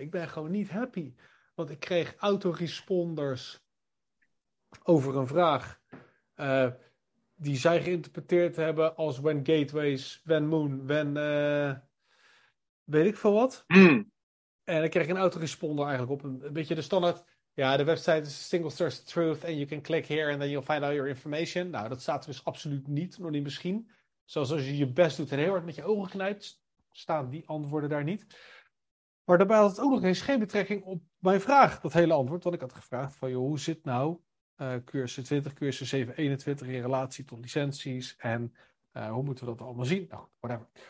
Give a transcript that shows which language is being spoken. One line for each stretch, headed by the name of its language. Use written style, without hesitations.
Dutch: Ik ben gewoon niet happy. Want ik kreeg autoresponders over een vraag die zij geïnterpreteerd hebben als
English: when gateways, when moon, when
Dutch: weet ik veel wat. Mm. En dan kreeg ik een autoresponder eigenlijk op een beetje de standaard. Ja, de website is
English: single source truth and you can click here and then you'll find all your information.
Dutch: Nou, dat staat er dus absoluut niet, nog niet misschien. Zoals als je je best doet en heel hard met je ogen knijpt, staan die antwoorden daar niet. Maar daarbij had het ook nog eens geen betrekking op mijn vraag, dat hele antwoord. Want ik had gevraagd van, joh, hoe zit nou cursus 20, cursus 721 in relatie tot licenties en hoe moeten we dat allemaal zien? Nou, whatever.